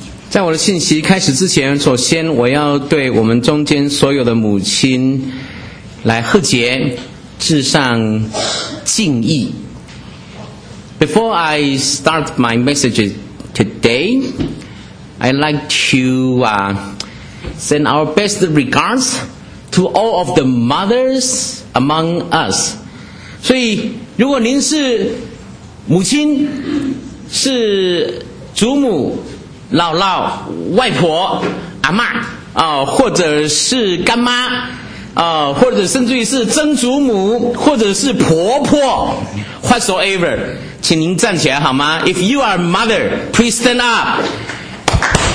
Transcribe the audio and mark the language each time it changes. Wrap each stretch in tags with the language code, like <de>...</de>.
<zh>在我的信息开始之前，首先我要对我们中间所有的母亲来贺节，致上敬意。</zh> <en>Before I start my message today, I'd like to send our best regards to all of the mothers among us.</en> <zh>所以，如果您是母亲，是祖母、姥姥、外婆、阿嬷或者是干妈或者甚至于是曾祖母或者是婆婆 whatsoever， 请您站起来好吗？</zh> <en>If you are mother, please stand up.</en>